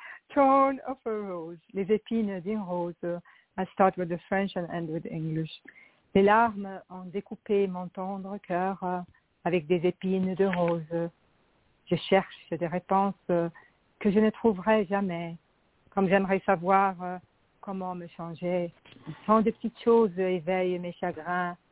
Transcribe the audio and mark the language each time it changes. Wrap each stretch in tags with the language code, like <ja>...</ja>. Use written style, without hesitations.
<en>Throne of a rose,</en> <fr>les épines d'une rose.</fr> <en>I start with the French and end with English.</en> <fr>Les larmes ont découpé mon tendre cœur avec des épines de rose. Je cherche des réponses que je ne trouverai jamais. Comme j'aimerais savoir comment me changer. Tant de petites choses éveillent mes chagrins.</fr>